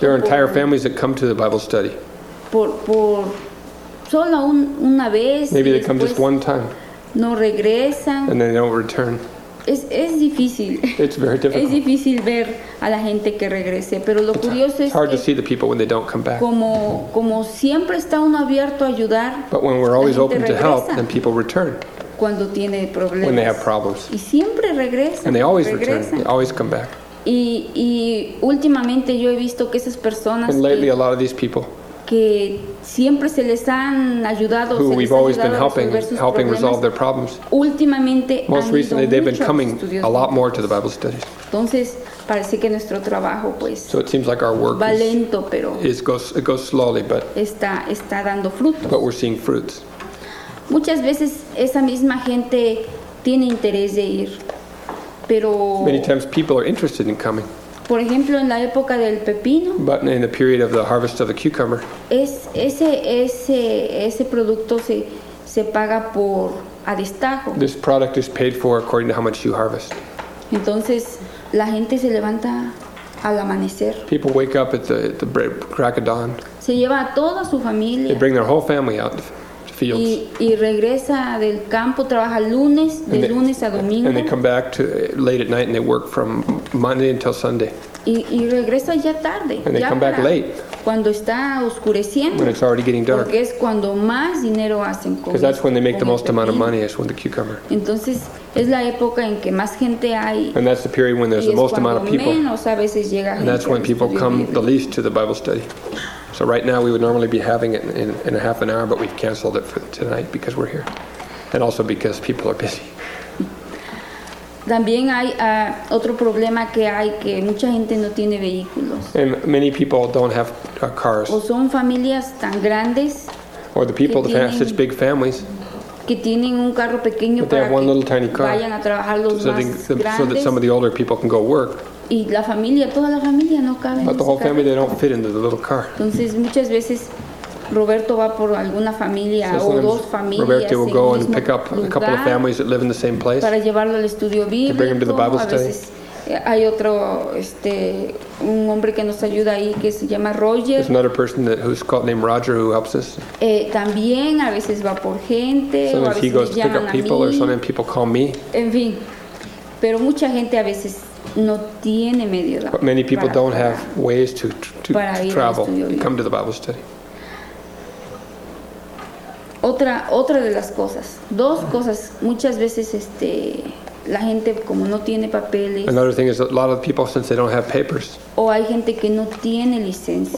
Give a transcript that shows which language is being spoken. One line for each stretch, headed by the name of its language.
English: There are entire families that come to the Bible study.
Spanish: Por solo una vez.
English: Maybe they come just one time.
Spanish: No regresan.
English: And then they don't return.
Spanish: Es difícil.
English: It's very difficult.
Spanish: Es difícil ver a la gente que regrese, pero lo curioso es
English: hard to see the people when they don't come back.
Spanish: Como siempre está uno abierto a ayudar.
English: But when we're always open
Spanish: regresa.
English: To help, then people return.
Spanish: Cuando tiene problemas.
English: When they have problems.
Spanish: Y siempre regresan.
English: And they always return. They always come back.
Spanish: Y últimamente yo he visto que esas personas.
English: And lately, a lot of these people.
Spanish: Que siempre se les han ayudado.
English: Who we've always
Spanish: ayudado
English: been helping, helping resolve their problems.
Spanish: Últimamente.
English: Most
Spanish: han
English: recently,
Spanish: ido
English: they've been coming a lot more to the Bible studies.
Spanish: Entonces parece que nuestro trabajo, pues.
English: So it seems like our work
Spanish: va lento, pero.
English: It goes slowly, but.
Spanish: Está dando frutos.
English: But we're seeing fruits.
Spanish: Muchas veces esa misma gente tiene interés de ir, pero.
English: Many times people are interested in coming.
Spanish: Por ejemplo, en la época del pepino.
English: But in the period of the harvest of the cucumber.
Spanish: Ese producto se paga por a destajo.
English: This product is paid for according to how much you harvest.
Spanish: Entonces la gente se levanta al amanecer.
English: People wake up at the crack of dawn.
Spanish: Se lleva a toda su familia.
English: They bring their whole family out. Fields.
Spanish: Y regresa del campo, trabaja lunes, de lunes a domingo.
English: And they come back to late at night and they work from Monday until Sunday.
Spanish: Y regresa ya tarde.
English: And they
Spanish: ya
English: come back late.
Spanish: Cuando está oscureciendo.
English: When it's already getting dark.
Spanish: Porque es cuando más dinero hacen.
English: Because that's when they make the most amount of money, is when the cucumber.
Spanish: Entonces, es la época en que más gente hay.
English: And that's the period when there's the most amount of people.
Spanish: Menos, a veces llega
English: and that's when people come the least to the Bible study. So right now we would normally be having it in a half an hour, but we've canceled it for tonight because we're here, and also because people are busy.
Spanish: También hay otro problema que hay que mucha gente no tiene vehículos.
English: And many people don't have cars.
Spanish: O son familias tan grandes.
English: Or the people that have such big families.
Spanish: Que tienen un carro pequeño para que
English: one little tiny car,
Spanish: vayan a trabajar los
English: so
Spanish: más grandes.
English: So that some of the older people can go work.
Spanish: Y la familia, toda la familia no cabe
English: but
Spanish: en
English: the whole family, they don't fit into the little car.
Spanish: Entonces, muchas veces Roberto va por alguna familia
English: so
Spanish: o dos familias.
English: Roberto will go and pick up a couple of families that live in the same place.
Spanish: Para llevarlo al estudio bíblico.
English: To bring him to the Bible study.
Spanish: Hay otro, un hombre que nos ayuda ahí que se llama Roger.
English: There's another person that, who's called named Roger who helps us.
Spanish: También a veces va por gente.
English: Sometimes he goes to pick up people or sometimes people call me.
Spanish: En fin, pero mucha gente a veces no tiene medio.
English: But many people don't have ways to travel, come to the Bible study.
Spanish: Otra de las cosas, dos cosas, muchas veces la gente como no tiene papeles.
English: Another thing is a lot of people, since they don't have papers.
Spanish: O hay gente que no tiene licencia.